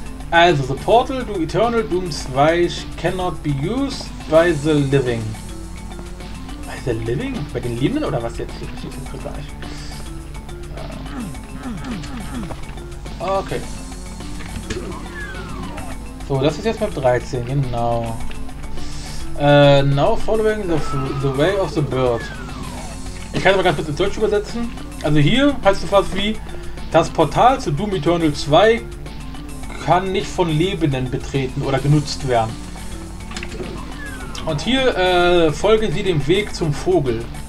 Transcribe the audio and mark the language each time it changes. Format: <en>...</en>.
<en>Also, the portal to eternal doom zweig cannot be used by the living. By the living?</en> <de>Bei den Lebenden oder was jetzt? Ich bin gleich. Okay. So, das ist jetzt Map 13, genau.</de> <en>Now following the way of the bird.</en> <de>Ich kann es mal ganz kurz ins Deutsch übersetzen. Also hier heißt es fast wie: Das Portal zu Doom Eternal 2 kann nicht von Lebenden betreten oder genutzt werden. Und hier folgen Sie dem Weg zum Vogel.</de>